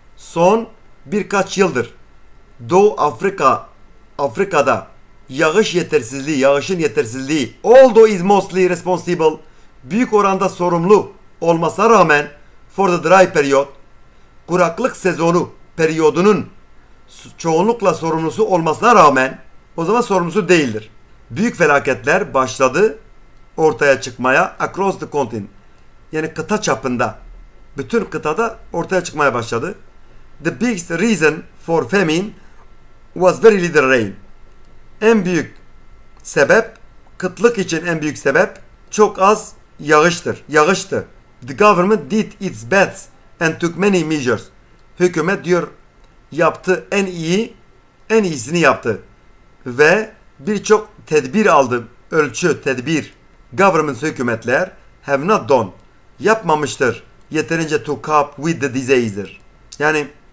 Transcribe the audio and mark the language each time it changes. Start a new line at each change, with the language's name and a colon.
Turkish: Son birkaç yıldır Doğu Afrika'da yağış yetersizliği, yağışın yetersizliği,
English: although is mostly responsible,
Turkish: büyük oranda sorumlu olmasına rağmen,
English: for the dry period,
Turkish: kuraklık sezonu periyodunun çoğunlukla sorumlusu olmasına rağmen, o zaman sorumlusu değildir. Büyük felaketler başladı ortaya çıkmaya
English: across the continent,
Turkish: yani kıta çapında, bütün kıtada ortaya çıkmaya başladı.
English: The biggest reason for famine was very little rain.
Turkish: En büyük sebep, kıtlık için en büyük sebep çok az yağıştır. Yağıştı.
English: The government did its best and took many measures.
Turkish: Hükümet diyor yaptı en iyisini yaptı ve birçok tedbir aldı. Ölçü, tedbir.
English: Governments,
Turkish: hükümetler
English: have not done,
Turkish: yapmamıştır yeterince
English: to cope with the diseases.
Turkish: Yani